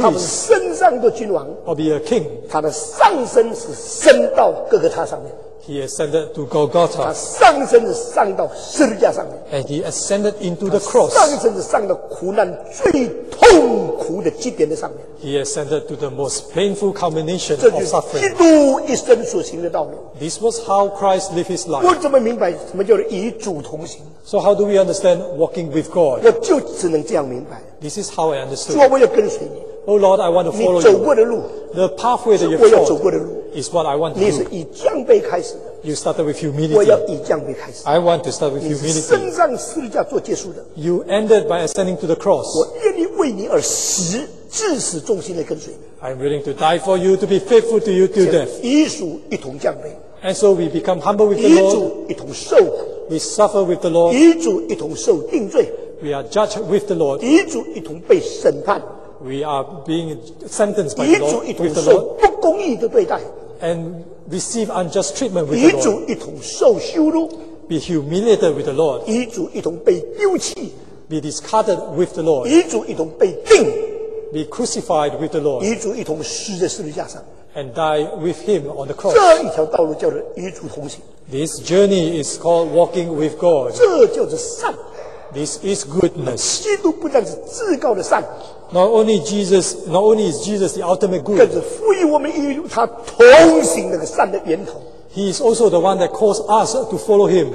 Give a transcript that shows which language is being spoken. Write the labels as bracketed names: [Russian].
[Chinese] 他不是升上做君王。 [English] Or be a king. [Chinese] 他的上升是升到哥哥他上面。 [English] He ascended to Golgotha. [Chinese] 他上升是上到十字架上面。 [English] And he ascended into the cross. [Chinese] 上升是上到苦难最痛苦的极点的上面。 [English] He ascended to the most painful culmination of suffering. [Chinese] 这就是基督一生所行的道路。 [English] This was how Christ lived his life. [Chinese] 我怎么明白什么叫做与主同行 [English] ？So how do we understand walking with God? [Chinese] 我就只能这样明白。 [English] This is how I understood. [Chinese] 说我要跟随你。 [English] Oh Lord, I want to follow you. [Chinese] 你走过的路。 [English] The pathway that you've trod is what I want to do. [Chinese] 你是以降卑开始的。 [English] You started with humility. [Chinese] 我要以降卑开始。 [English] I want to start with humility. [Chinese] 你是升上十字架做结束的。 [English] You ended by ascending to the cross. [Chinese] 我愿意为你而死，至死忠心的跟随你。 [English] I'm willing to die for you, to be faithful to you till death. [Chinese] 与主一同降卑。 [English] And so we become humble with the Lord. [Chinese] 与主一同受苦。 [English] We suffer with the Lord. [Chinese] 与主一同受定罪。 [English] We are judged with the Lord. [Chinese] 与主一同被审判。 [English] We are being sentenced by the Lord, with the Lord, [Chinese] 与主一同受不公义的对待 [English] and receive unjust treatment with the Lord. [Chinese] 与主一同受羞辱 [English] be humiliated with the Lord. [Chinese] 与主一同被丢弃 [English] be discarded with the Lord. [Chinese] 与主一同被钉 [English] be crucified with the Lord. [Chinese] 与主一同死在十字架上 [English] and die with him on the cross. [Chinese] 这一条道路叫做与主同行 [English] This journey is called walking with God. [Chinese] 这就是善 [English] This is goodness. [Chinese] 基督不但是至高的善, [English] not only is Jesus the ultimate good, [Chinese] 更是赋予我们与他同行那个善的源头。 [English] He is also the one that calls us to follow him.